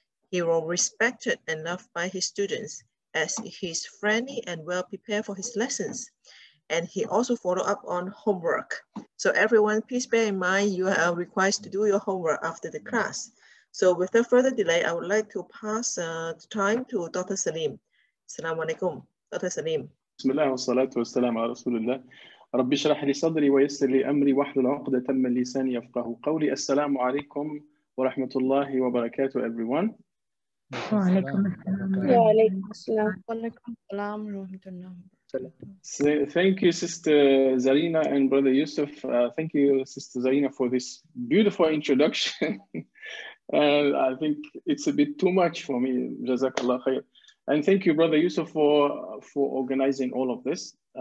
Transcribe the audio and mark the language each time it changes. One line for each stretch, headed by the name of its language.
English: He was respected and loved by his students as he's friendly and well prepared for his lessons. And he also followed up on homework. So everyone, please bear in mind, you are required to do your homework after the class. So without further delay, I would like to pass the time to Dr. Selim. Assalamu alaikum, Dr. Selim.
Arabic: بسم الله والصلاة والسلام على رسول الله ربي اشرح لي صدري ويسر لي أمري واحلل عقدة من لساني يفقه قولي السلام عليكم ورحمة الله وبركاته
English: everyone
Arabic: وعليكم السلام وعليكم السلام ورحمة الله
English: Thank you sister Zarina and brother Yusuf thank you sister Zarina for this beautiful introduction and I think it's a bit too much for me Jazakallah khair And thank you, Brother Yusuf, for organizing all of this.